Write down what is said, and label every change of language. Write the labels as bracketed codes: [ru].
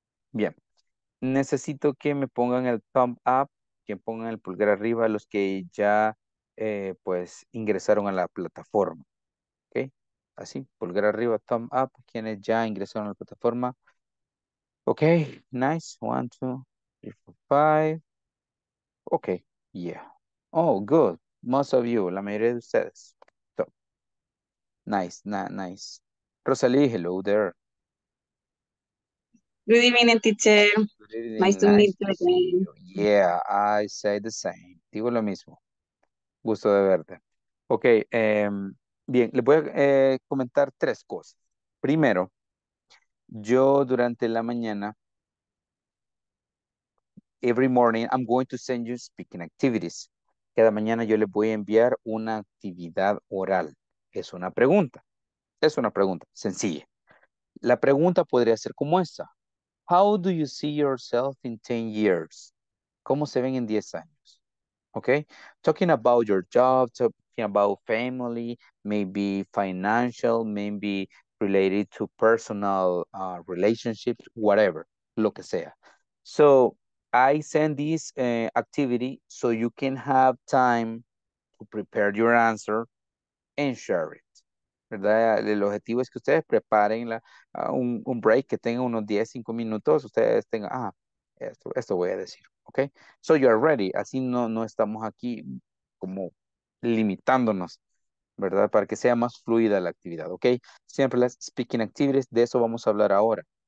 [es] Bien, necesito que me pongan el thumb up, que pongan el pulgar arriba, los que ya ingresaron a la plataforma, ok, así pulgar arriba, thumb up, quienes ya ingresaron a la plataforma, ok, nice, 1, 2, 3, 4, 5, ok, yeah, [en] oh good, most of you, [es] la mayoría de ustedes, so, nice, Rosalie, [en] hello there, good evening teacher, good evening. Nice to meet you again. Yeah, I say the same, [es] digo lo mismo. Gusto de verte. Ok, bien, les voy a comentar tres cosas. Primero, yo durante la mañana, [en] every morning, I'm going to send you speaking activities. [es] Cada mañana yo les voy a enviar una actividad oral. Es una pregunta. Es una pregunta sencilla. La pregunta podría ser como esta. [en] How do you see yourself in 10 years? [es] ¿Cómo se ven en 10 años? [en] Okay, talking about your job, talking about family, maybe financial, maybe related to personal relationships, whatever, [es] lo que sea. [en] So I send this activity so you can have time to prepare your answer and share it. [es] ¿Verdad? El objetivo es que ustedes preparen un break, que tengan unos 10, 5 minutos, ustedes tengan, esto voy a decir. [en] Okay, so you are ready. [es] Así no estamos aquí como limitándonos ¿verdad? Para que sea más fluida la actividad, ¿ok? Siempre las speaking activities, de eso vamos a hablar ahora.